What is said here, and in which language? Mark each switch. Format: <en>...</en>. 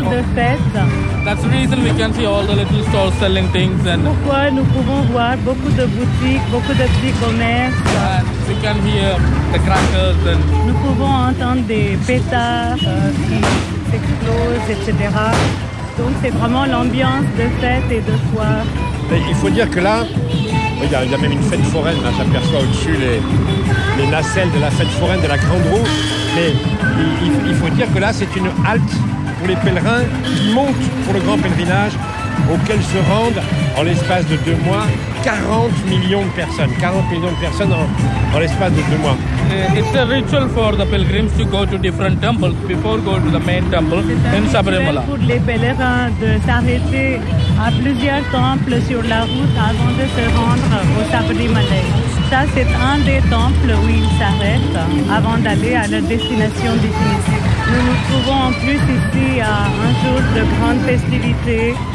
<en>That's the reason we can see all the little stores selling things and.</en> <fr>Pourquoi nous pouvons voir beaucoup de boutiques, beaucoup de petits commerces.</fr> <en>We can hear the crackers and.</en> <fr>Nous pouvons entendre des pétards qui explosent, etc. Donc c'est vraiment l'ambiance de fête et de soir. Mais il faut dire que là, il y a même une fête foraine, là, j'aperçois au-dessus les nacelles de la fête foraine de la Grande Roue. Mais il faut dire que là, c'est une halte pour les pèlerins qui montent pour le grand pèlerinage, auquel se rendent, en l'espace de 2 mois, 40 millions de personnes. 40 millions de personnes en l'espace de 2 mois.</fr> <en>It's a ritual for the pilgrims to go to different temples before go to the main temple in Sabarimala.</en> <fr>C'est pour les pèlerins de s'arrêter à plusieurs temples sur la route avant de se rendre au Sabarimala. Ça, c'est un des temples où ils s'arrêtent avant d'aller à leur destination définitive. Nous nous trouvons en plus ici à un jour de grande festivité.</fr>